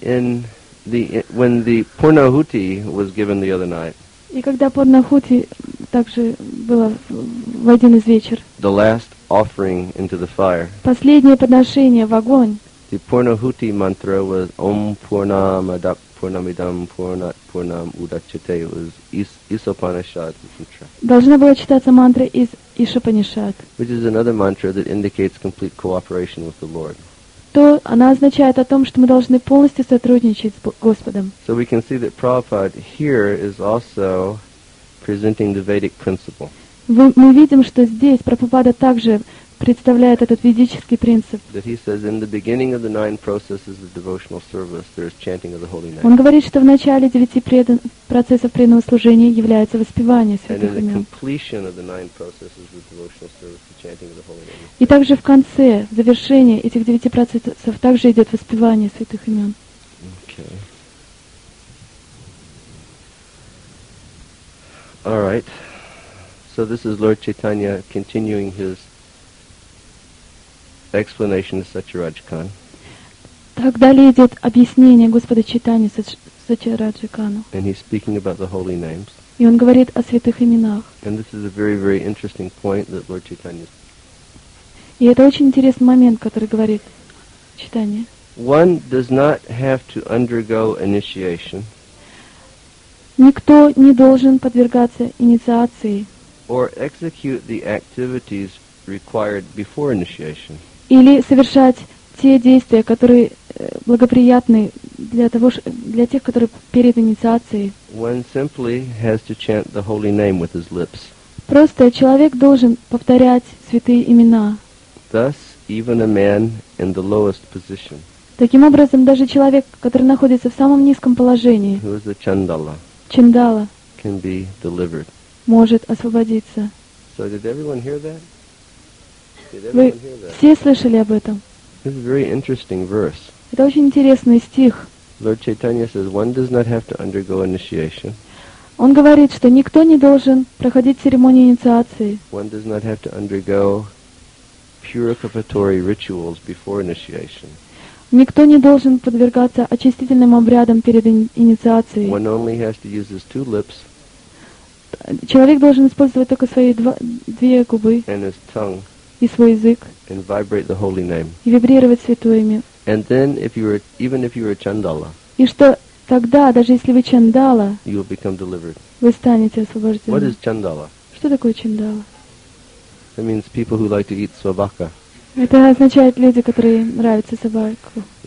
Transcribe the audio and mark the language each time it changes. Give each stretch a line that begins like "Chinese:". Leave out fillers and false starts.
English: in the when the Purnahuti was given the other night.
Russian: И когда Пурнахути также было в один из вечер.
English: The last offering into the fire.
Russian: Последнее подношение в огонь.
English: The Purnahuti mantra was Om Purnamadak.
Sanskrit: Purnamidam Purnat Purnam Udachate.
English: It was Isopanishad mantra.
Russian: Должна была читаться мантра из Ишопанишад.
English: Which is another mantra that indicates complete cooperation with the Lord.
Russian: То она означает о том, что мы должны полностью сотрудничать с Господом.
English: So we can see that Prabhupada here is also presenting the Vedic principle.
Russian: Мы видим, что здесь Прабхупада также представляет этот ведический принцип.
English: That he says in the beginning of the nine processes of devotional service, there is chanting of the holy name.
Russian: Он говорит, что в начале девяти процессов преданного служения является воспевание святых имен.
English: And in the completion of the nine processes of devotional service, the chanting of the holy name.
Russian: И также в конце, в завершении этих девяти процессов также идет воспевание святых имен.
English: Okay. All right. So this is Lord Chaitanya continuing his explanation of Satyaraj Khan.
Russian: Так далее идет объяснение Господа Чайтаньи Сатьяраджа Кану.
English: And he's speaking about the holy names.
Russian: И он говорит о святых именах.
English: And this is a very, very interesting point that Lord Chaitanya.
Russian: И это очень интересный момент, который говорит Чайтанья.
English: One does not have to undergo initiation.
Russian: Никто не должен подвергаться инициации.
English: Or execute the activities required before initiation.
Russian: Или совершать те действия, которые благоприятны для того, для тех, которые перед инициацией.
English: One simply has to chant the holy name with his lips.
Russian: Просто человек должен повторять святые имена.
English: Thus, even a man in the lowest position.
Russian: Таким образом, даже человек, который находится в самом низком положении,
English: who is a chandala,
Russian: chandala,
English: can be delivered.
Russian: Может освободиться.
English: So did everyone hear that?
Russian: Вы все слышали об этом?
English: This is a very interesting verse.
Russian: Это очень интересный стих.
English: Lord Chaitanya says, one does not have to undergo initiation.
Russian: Он говорит, что никто не должен проходить церемонию инициации.
English: One does not have to undergo purificatory rituals before initiation.
Russian: Никто не должен подвергаться очистительным обрядам перед инициацией.
English: One only has to use his two lips.
Russian: человек должен использовать только свои две губы
English: and his tongue
Russian: и свой язык
English: and vibrate the holy name.
Russian: И вибрировать святое имя.
English: And then, if you were, even if you were a chandala,
Russian: и что тогда, даже если вы чандала,
English: you will become delivered.
Russian: Вы станете освобождены.
English: What is chandala?
Russian: Что такое чандала?
English: That means people who like to eat
Russian: собака. Это означает люди, которые нравятся собаку.